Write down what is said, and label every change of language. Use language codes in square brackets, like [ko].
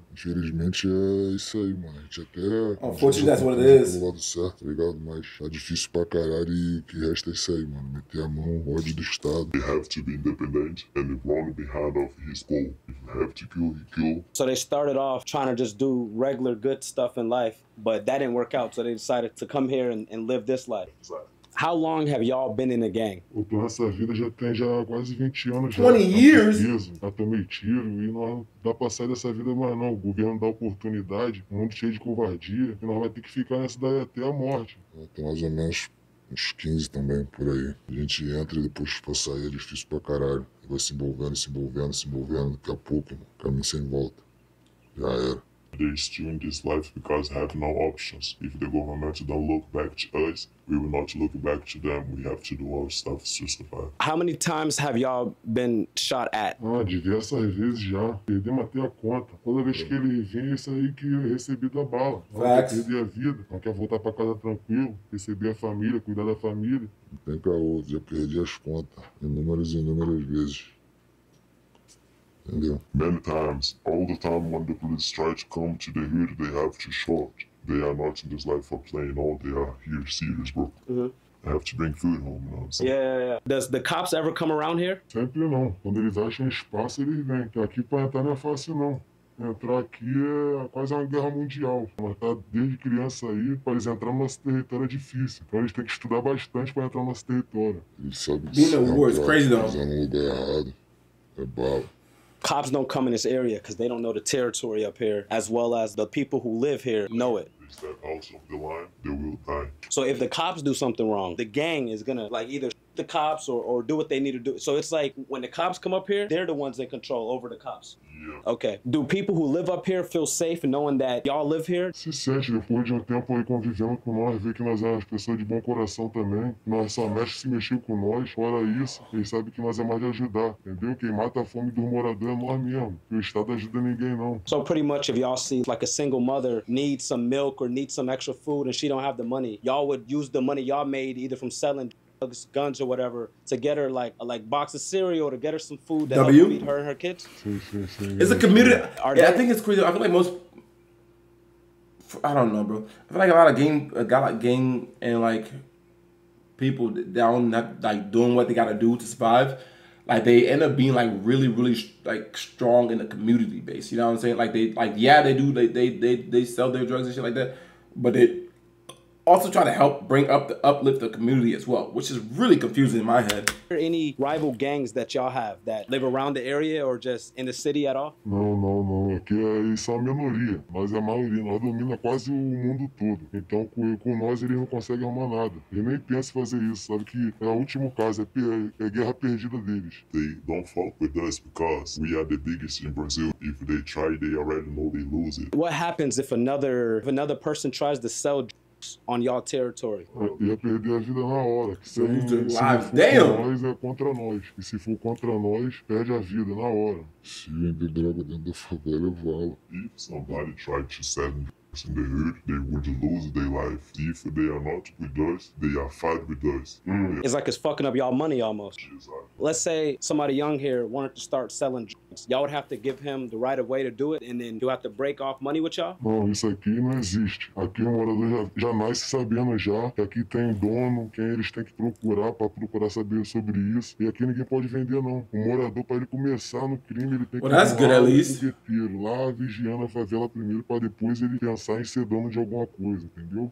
[pt] Infelizmente é isso aí, mano. A gente até. [en] Unfortunately, that's what it is. [pt] Certo, tá ligado? Mas tá difícil pra caralho e o que resta é isso aí, mano. Meter a mão, ódio do Estado. [en] They have to be independent and run behind of his goal. If you have to kill, he kill. So they started off trying to just do regular good stuff in life, but that didn't work out, so they decided to come here and live this life. Exactly. How long have y'all been in the gang? [pt] Eu tô nessa vida já tem já quase 20 anos. 20 já, [en] years? [pt] Já tomei tiro e nós não dá pra sair dessa vida mais não. O governo dá oportunidade, um mundo cheio de covardia. E nós vai ter que ficar nessa daí até a morte. Tem mais ou menos uns 15 também por aí. A gente entra e depois pra sair é difícil pra caralho. E vai se envolvendo. Daqui a pouco, mano, caminho sem volta. Já era. [en] They still in this life because have no options. If the government don't look back to us, we will not look back to them. We have to do our stuff to survive. How many times have y'all been shot at? [pt] Diversas vezes já. Perdemos até a conta. Toda vez que ele vem, isso aí que eu recebi da bala. [en] Facts. [pt] Perder a vida. Não quer voltar pra casa tranquilo. Receber a família, cuidar da família. Não tem caô, já perdi as contas. Inúmeras e inúmeras vezes. Yeah. [en] Many times, all the time when the police try to come to the hood, they have to shoot. They are not in this life for playing, all they are here serious, bro. Mm-hmm. I have to bring food home, you know what I'm saying? Yeah. Does the cops ever come around here? [pt] Sempre não. Quando eles acham espaço, eles vêm. Aqui pra entrar não é fácil, não. Entrar aqui é quase uma guerra mundial. Mas tá desde criança aí, pra eles entrarem no nosso território é difícil. Então a gente tem que estudar bastante pra entrar no nosso território. Eles sabem que isso é um lugar errado. Eles sabem que isso é um lugar errado. É bala. [en] Cops don't come in this area because they don't know the territory up here, as well as the people who live here know it. If they're out of the line, they will die. So if the cops do something wrong, the gang is gonna like either shoot the cops or do what they need to do. So it's like when the cops come up here, they're the ones in control over the cops. Yeah. Okay. Do people who live up here feel safe knowing that y'all live here? [pt] Se sente depois de tempo aí convivendo com nós, ver que nós é as pessoas de bom coração também. Nós só mexe se mexeu com nós. Fora isso, eles sabem que nós é mais de ajudar. Entendeu? Quem mata a fome dos moradores é nós mesmo. O Estado ajuda ninguém, não. [en] So pretty much if y'all see like a single mother needs some milk or needs some extra food and she don't have the money, y'all would use the money y'all made either from selling drugs, guns or whatever to get her like a box of cereal to get her some food that will feed her and her kids. It's a community. I think it's crazy. I feel like most. I don't know, bro. I feel like a lot of gang, and like people down that like doing what they gotta do to survive. Like they end up being like really, really like strong in the community base. You know what I'm saying? Like they like yeah, they do. They sell their drugs and shit like that. But they also try to help bring up the uplift the community as well, which is really confusing in my head. Are there any rival gangs that y'all have that live around the area or just in the city at all? No. [pt] Aqui é só a minoria, mas é a maioria. Nós domina quase o mundo todo. Então com nós eles não conseguem arrumar nada. Eles nem pensam fazer isso. Sabe que é o último caso, é guerra perdida deles. [en] They don't fuck with us because we are the biggest in Brazil. If they try, they already know they lose it. What happens if another person tries to sell on y'all territory? [pt] Ia perder a vida na hora. Se for contra nós, é contra nós. E se for contra nós, perde a vida na hora. Se vender droga dentro da favela, eu falo. [en] If somebody tried to sell drugs in the hood, they would lose their life. If they are not with us, they are fighting with us. It's like it's fucking up y'all money almost. Exactly. Let's say somebody young here wanted to start selling drugs. Y'all would have to give him the right of way to do it, and then you have to break off money with y'all? [pt] Não, isso aqui não existe. Aqui o morador já nasce sabendo já que aqui tem dono, quem eles têm que procurar pra procurar saber sobre isso. E aqui ninguém pode vender, não. O morador, pra ele começar no crime, ele tem que ir lá vigiando a favela primeiro pra depois ele ter pensar em ser dono de alguma coisa, entendeu?